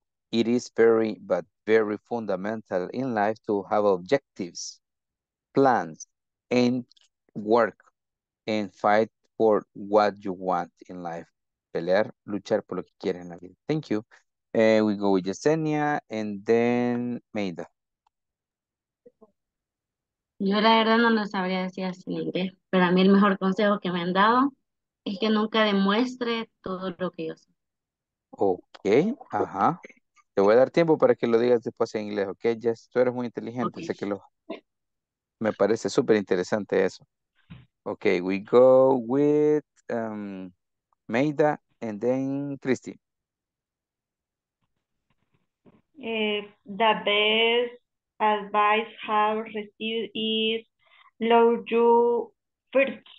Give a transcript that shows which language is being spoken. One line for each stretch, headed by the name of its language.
English: It is very fundamental in life to have objectives, plans, and work and fight for what you want in life.
Spanish: Pelear, luchar por lo que quieres en la vida.
English: Thank you. We go with Yesenia and then Maida.
Spanish: Yo la verdad no lo sabría decir así en inglés, pero a mí el mejor consejo que me han dado es que nunca demuestre todo lo que yo soy. Okay, ajá. Te voy a dar tiempo para que lo digas después en inglés, ¿ok? Jess, tú eres muy inteligente, okay. Sé que lo... Me parece súper interesante eso.
English: Ok, we go with Maida and then Christy. The best advice I've received is love you first.